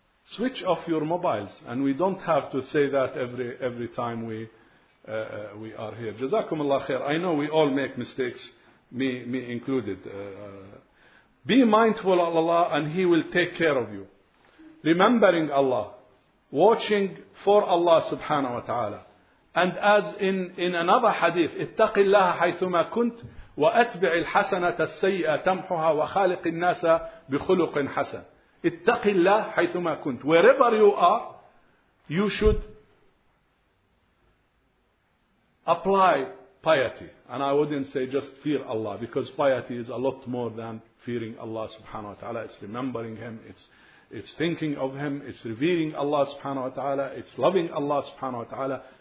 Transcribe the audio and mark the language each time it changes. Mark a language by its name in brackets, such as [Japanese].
[English] Switch off your mobiles, and we don't have to say that every time we are here. Jazakum Allah khair. I know we all make mistakes, me included. Be mindful of Allah and He will take care of you. Remembering Allah, watching for Allah subhanahu wa ta'ala. And as in another hadith, [Arabic] اتَّقِ اللَّهَ حَيْثُمَا كُنْتْ وَأَتْبِعِ الْحَسَنَةَ السَّيِّئَةَ تَمْحُهَا وَخَالِقِ النَّاسَ بِخُلُقٍ حَسَنٍ. اتق الله حيثما كنت. [English] Wherever you are, you should apply piety. And I wouldn't say just fear Allah, because piety is a lot more than fearing Allah subhanahu wa ta'ala. It's remembering Him, it's thinking of Him, it's revering Allah subhanahu wa ta'ala, it's loving Allah subhanahu wa ta'ala.